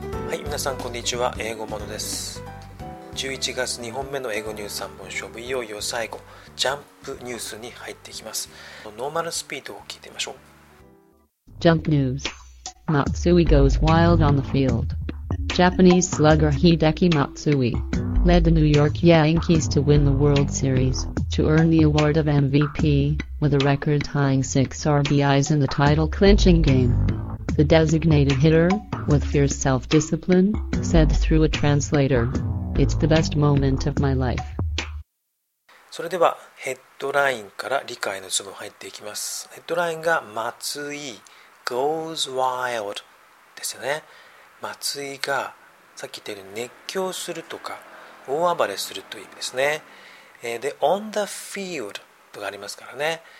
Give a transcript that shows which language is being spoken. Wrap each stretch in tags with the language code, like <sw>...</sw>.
<ja>皆さんこんにちは、英語モノです。11月2本目の英語ニュース3本勝負、いよいよ最後、ジャンプニュースに入っていきます。ノーマルスピードを聞いてみましょう。ジャンプニュース。</ja> <en>Matsui goes wild on the field. Japanese slugger Hideki Matsui led the New York Yankees to win the World Series, to earn the award of MVP, with a record-tying 6 RBIs in the title-clinching game. The designated hitter, with fierce self-discipline, said through a translator, It's the best moment of my life.</en> <ja>それではヘッドラインから理解のズボン入っていきます。ヘッドラインが松井</ja> <en>goes wild</en> <ja>ですよね。松井がさっき言ったように熱狂するとか大暴れするという意味ですね。で、</ja> <en>on the field</en> <ja>とかありますからね。</ja>